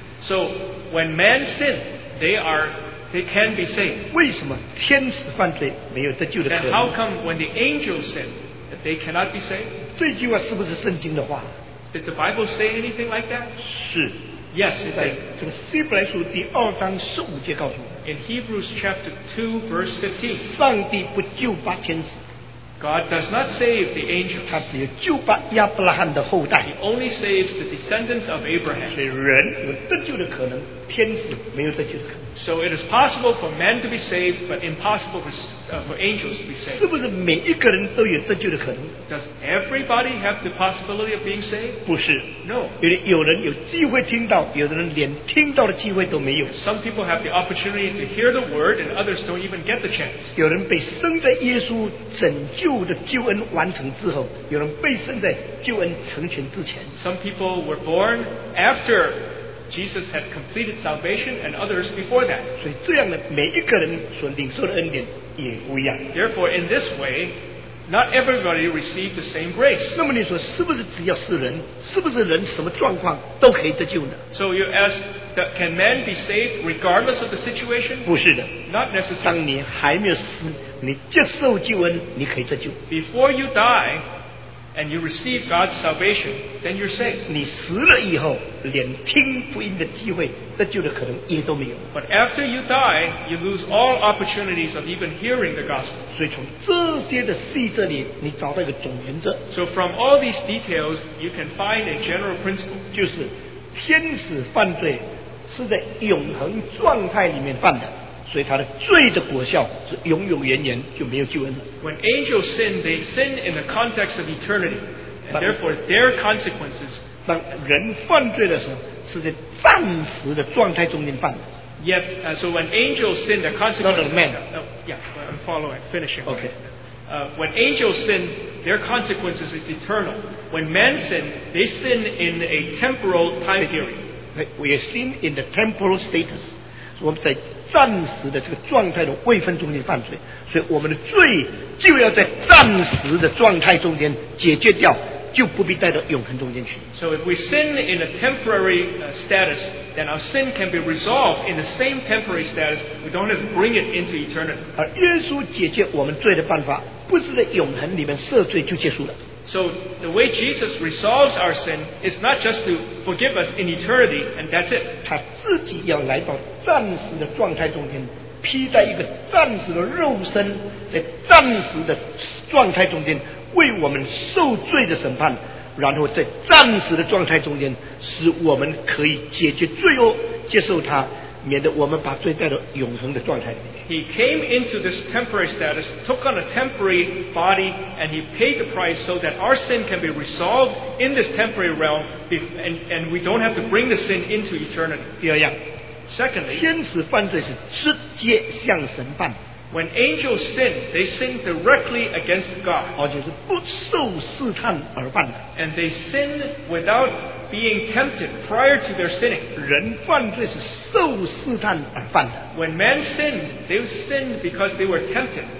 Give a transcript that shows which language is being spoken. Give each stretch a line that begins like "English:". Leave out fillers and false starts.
English: So when man sins, they can be saved.
Chinese: 为什么天使犯罪没有得救的可能？
English: Then how come when the angels sin, that they cannot be saved?
Chinese: 这句话是不是圣经的话？
English: Did the Bible say anything like that?
Chinese: 是。
English: Yes, it is.
Chinese: 这个希伯来书第二章十五节告诉我。
English: In Hebrews chapter 2, verse 15,
Chinese: 上帝不救拔天使。
English: God does not save the angels.
Chinese: 他只有救拔亚伯拉罕的后代。
English: He only saves the descendants of Abraham.
Chinese: 所以人有得救的可能，天使没有得救的可能。
English: So it is possible for men to be saved, but impossible for angels to be saved.
Chinese: 是不是每一个人都有得救的可能？
English: Does everybody have the possibility of being saved?
Chinese: 不是。
English: No.
Chinese: 有人有机会听到，有的人连听到的机会都没有。
English: Some people have the opportunity to hear the word, and others don't even get the chance.
Chinese: 有人被生在耶稣拯救的救恩完成之后，有人被生在救恩成全之前。
English: Some people were born after Jesus had completed salvation, and others before that.
Chinese: 所以这样的每一个人所领受的恩典也不一样。
English: Therefore, in this way, not everybody received the same grace.
Chinese: 那么你说是不是只要是人，是不是人什么状况都可以得救呢？
English: So you ask, can man be saved regardless of the situation?
Chinese: 不是的。
English: Not necessarily.
Chinese: 当你还没有死，你接受救恩，你可以得救。
English: Before you die, and you receive God's salvation, then you're saved.
Chinese: 你死了以后，连听福音的机会、得救的可能也都没有。
English: But after you die, you lose all opportunities of even hearing the gospel.
Chinese: 所以从这些的细节里，你找到一个总原则。
English: So from all these details, you can find a general principle.
Chinese: 就是天使犯罪是在永恒状态里面犯的。所以他的罪的果效是永永远远就没有救恩了。
English: When angels sin, they sin in the context of eternity, and therefore their consequences.
Chinese: 当人犯罪的时候，是在暂时的状态中间犯的。
English: Yet, so when angels sin, the consequences. Not a man. Yeah, I'm following, finishing. Okay. When angels sin, their consequences is eternal. When men sin, they sin in a temporal time period. We are sin in the temporal status.
Chinese: 我们在暂时的这个状态的位分中间犯罪，所以我们的罪就要在暂时的状态中间解决掉，就不必带到永恒中间去。
English: So if we sin in a temporary status, then our sin can be resolved in the same temporary status. We don't have to bring it into eternity.
Chinese: 而耶稣解决我们罪的办法，不是在永恒里面赦罪就结束了。
English: So the way Jesus resolves our sin is not just to forgive us in eternity and that's it.
Chinese: 他自己要来到暂时的状态中间，披戴一个暂时的肉身，在暂时的状态中间为我们受罪的审判，然后在暂时的状态中间使我们可以解决罪恶，接受他，免得我们把罪带到永恒的状态里面。
English: He came into this temporary status, took on a temporary body, and he paid the price so that our sin can be resolved in this temporary realm, and we don't have to bring the sin into eternity. Yeah, yeah. Secondly,
Chinese: 天使犯罪是直接向神犯。
English: When angels sin, they sin directly against God. And they sin without being tempted prior to their sinning. When man sinned, they sinned because they were tempted.